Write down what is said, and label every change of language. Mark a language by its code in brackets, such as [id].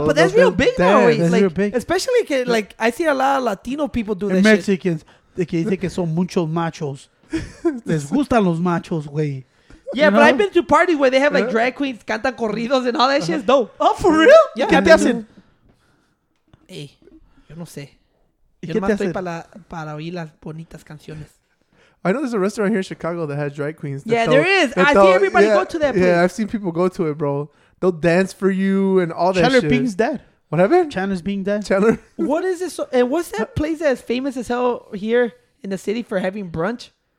[en] No, but that's real big that, now. That's like, real big. Especially, like, I see a lot of Latino people do and that Mexicans, shit. [es] Mexicans, que dice que son muchos machos. Les gustan los machos, güey. [en] Yeah, you know? But I've been to parties where they have like drag queens, [es] cantan corridos [en] and all that shit. Dope. Oh, for real? Yeah. [es] ¿Qué te hacen? Hey, yo no sé. Yo más estoy para oír las bonitas canciones. [en] I know there's a restaurant here in Chicago that has drag queens. Yeah, there is. I see everybody go to that place. Yeah, I've seen people go to it, bro. They'll dance for you and all that shit. Chandler Bing's dead. What happened? Chandler's being dead. Chandler. What is this? And what's that place that's famous as hell here in the city for having brunch?